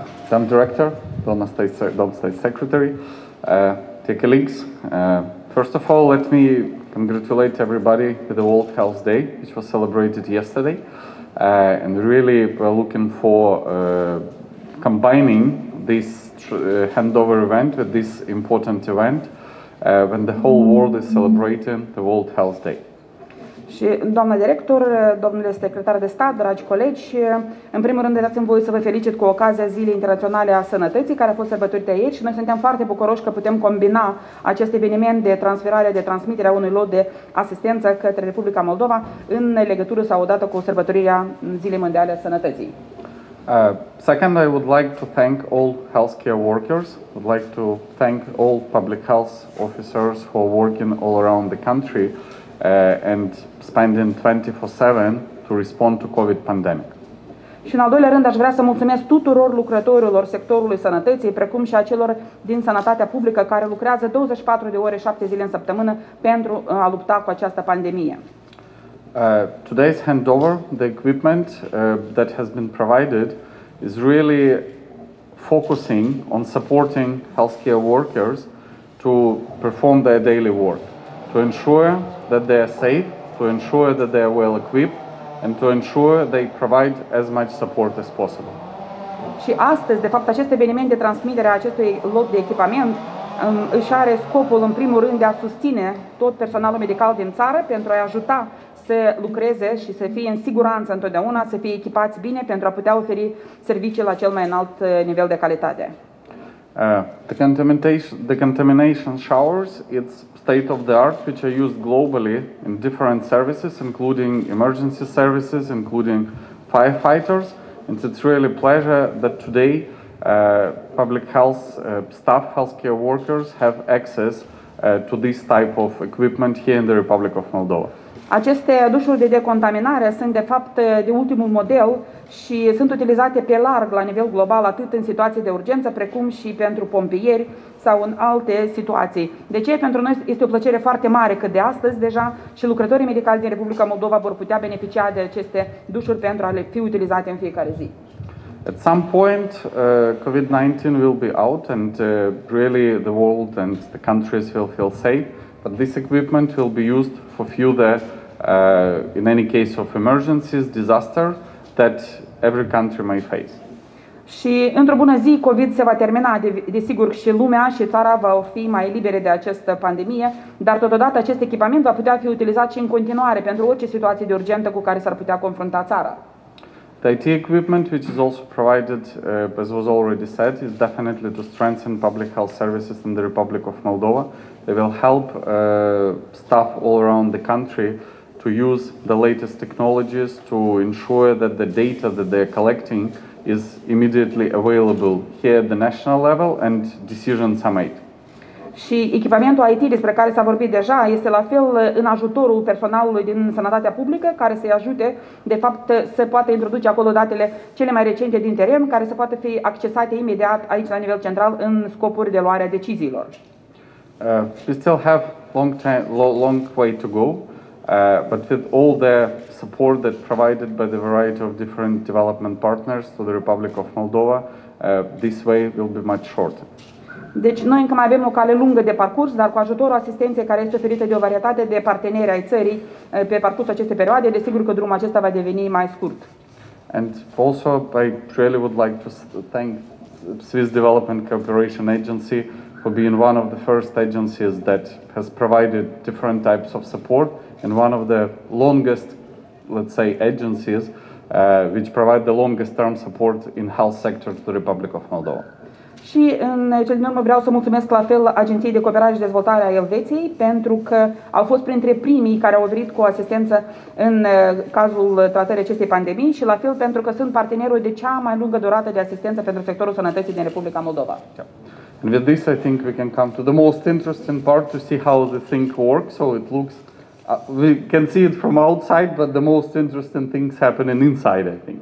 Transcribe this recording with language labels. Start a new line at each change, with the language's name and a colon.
Romanian: Domn director, domn
English: state secretary, dear colleagues, first of all, let me congratulate everybody with the World Health Day, which was celebrated yesterday, and really we're looking for combining this handover event with this important event when the whole world is celebrating the World Health Day.
Romanian: Și doamna director, domnule secretar de stat, dragi colegi, în primul rând dați-mi voie să vă felicit cu ocazia Zilei Internaționale a Sănătății, care a fost sărbătorită aici. Noi suntem foarte bucuroși că putem combina acest eveniment de transferare, de transmiterea unui lot de asistență către Republica Moldova în legătură sau odată cu sărbătorirea Zilei Mondiale a Sănătății.
English: Second, I would like to thank all healthcare workers. I would like to thank all public health officers who are working all around the country. And spending 24/7 to respond to COVID pandemic.
Romanian: Și în al doilea rând aș vrea să mulțumesc tuturor lucrătorilor sectorului sănătății, precum și acelor din sănătatea publică care lucrează 24 de ore 7 zile în săptămână pentru a lupta cu această pandemie.
English: Today's handover, the equipment that has been provided is really focusing on supporting healthcare workers to perform their daily work, to ensure that they are safe, to ensure that they are well equipped, and to ensure they provide as much support as possible.
Romanian: Și astăzi, de fapt, acest eveniment de transmitere a acestui lot de echipament își are scopul, în primul rând, de a susține tot personalul medical din țară pentru a-i ajuta să lucreze și să fie în siguranță întotdeauna, să fie echipați bine pentru a putea oferi servicii la cel mai înalt nivel de calitate.
English: The contamination showers, it's state of the art, which are used globally in different services, including emergency services, including firefighters. And it's really a pleasure that today public health staff, healthcare workers have access to this type of equipment here in the Republic of Moldova.
Romanian: Aceste dușuri de decontaminare sunt de fapt de ultimul model și sunt utilizate pe larg la nivel global, atât în situații de urgență, precum și pentru pompieri sau în alte situații. De ce? Pentru noi este o plăcere foarte mare că de astăzi deja și lucrătorii medicali din Republica Moldova vor putea beneficia de aceste dușuri pentru a le fi utilizate în fiecare zi.
English: At some point, COVID-19 will be out and really the world and the countries will feel safe. But this equipment will be used for further, in any case of emergencies, disaster that every country may face.
Romanian: Și într-o bună zi, COVID se va termina, desigur, și lumea și țara va fi mai libere de această pandemie, dar totodată acest echipament va putea fi utilizat și în continuare pentru orice situație de urgență cu care s-ar putea confrunta țara.
English: The IT equipment, which is also provided, as was already said, is definitely to strengthen public health services in the Republic of Moldova. They will help staff all around the country to use the latest technologies to ensure that the data that they are collecting is immediately available here at the national level and decisions are made.
Romanian: Și echipamentul IT despre care s-a vorbit deja este la fel în ajutorul personalului din sănătatea publică care să-i ajute de fapt să poată introduce acolo datele cele mai recente din teren care să poată fi accesate imediat aici la nivel central în scopuri de luare a deciziilor.
English: We still have long way to go, but with all the support that provided by the variety of different development partners to the Republic of Moldova, this way will be much shorter.
Romanian: Deci noi încă mai avem o cale lungă de parcurs, dar cu ajutorul asistenței care este oferită de o varietate de parteneri ai țării pe parcursul acestei perioade, desigur că drumul acesta va deveni mai scurt.
English: And also I really would like to thank Swiss Development Cooperation Agency for being one of the first agencies that has provided different types of support and one of the longest, let's say, agencies which provide the longest term support in health sector to the Republic of Moldova.
Romanian: Și în cel din urmă vreau să mulțumesc la fel Agenției de Cooperare și Dezvoltare a Elveției pentru că au fost printre primii care au venit cu asistență în cazul tratării acestei pandemii și la fel pentru că sunt partenerul de cea mai lungă durată de asistență pentru sectorul sănătății din Republica Moldova.
English: And with this, I think we can come to the most interesting part to see how the thing works. So it looks, we can see it from outside, but the most interesting things happen inside, I think.